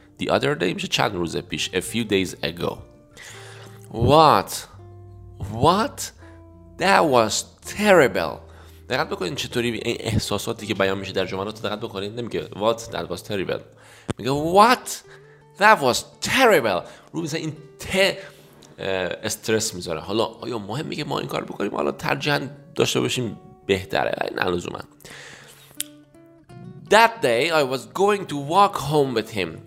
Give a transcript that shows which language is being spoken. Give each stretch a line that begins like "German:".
English: The other day
Persian: میشه چند روز پیش.
English: A few days ago. What? That was terrible.
Persian: دقت بکنید چطوری این احساساتی که بیان میشه در جملات، دقت بکنید. نمیگه
English: what that was terrible،
Persian: میگه
English: what that was terrible.
Persian: رو میزه این ت استرس میذاره. حالا آیا مهمه که ما این کار بکنیم؟ حالا ترجیحاً داشته باشیم بهتره، ولی نه لزوما.
English: That day I was going to walk home with him.